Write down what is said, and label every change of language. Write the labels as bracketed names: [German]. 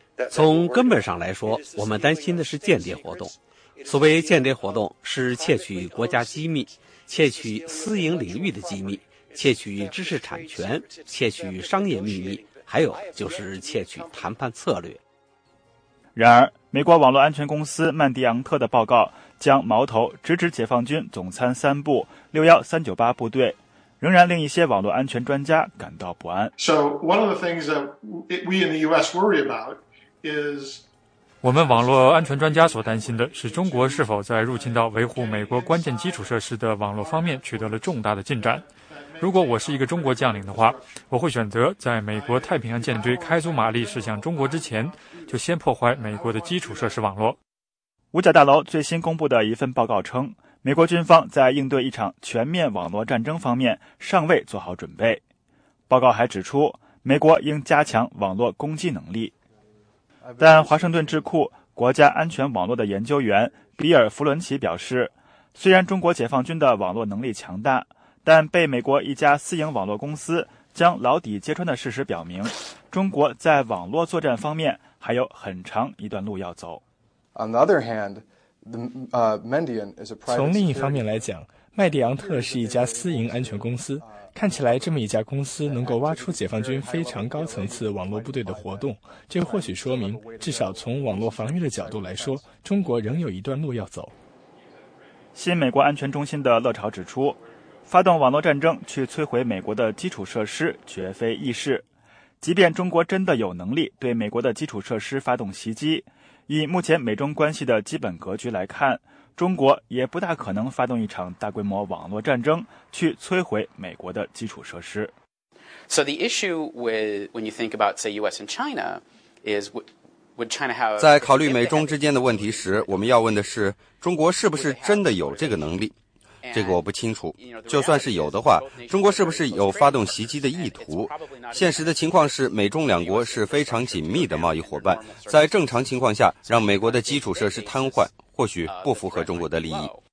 [Chinese] 从根本上来说，我们担心的是间谍活动。所谓间谍活动是窃取国家机密，窃取私营领域的机密，窃取知识产权，窃取商业秘密，还有就是窃取谈判策略。然而，美国网络安全公司曼迪昂特的报告将矛头直指解放军总参三部61398部队，仍然令一些网络安全专家感到不安。 [English] So one of the things that we in the U.S. worry about is [Chinese] 我们网络安全专家所担心的是中国是否在入侵到维护美国关键基础设施的网络方面取得了重大的进展。如果我是一个中国将领的话，我会选择在美国太平洋舰队开足马力驶向中国之前，就先破坏美国的基础设施网络。五角大楼最新公布的一份报告称，美国军方在应对一场全面网络战争方面尚未做好准备。报告还指出，美国应加强网络攻击能力。但华盛顿智库国家安全网络的研究员比尔·弗伦奇表示，虽然中国解放军的网络能力强大，但被美国一家私营网络公司将牢底揭穿的事实表明，中国在网络作战方面还有很长一段路要走。 [English] On the other hand, Mendian is a private. [Chinese] 从另一方面来讲，麦迪昂特是一家私营安全公司。看起来这么一家公司能够挖出解放军非常高层次网络部队的活动，这或许说明，至少从网络防御的角度来说，中国仍有一段路要走。新美国安全中心的乐潮指出，发动网络战争去摧毁美国的基础设施绝非易事。即便中国真的有能力对美国的基础设施发动袭击，以目前美中关系的基本格局来看，中国也不大可能发动一场大规模网络战争去摧毁美国的基础设施。 [English] So the issue with when you think about say US and China is would China have [Chinese] 在考虑美中之间的问题时，我们要问的是中国是不是真的有这个能力。这个我不清楚，就算是有的话，中国是不是有发动袭击的意图？现实的情况是，美中两国是非常紧密的贸易伙伴，在正常情况下，让美国的基础设施瘫痪，或许不符合中国的利益。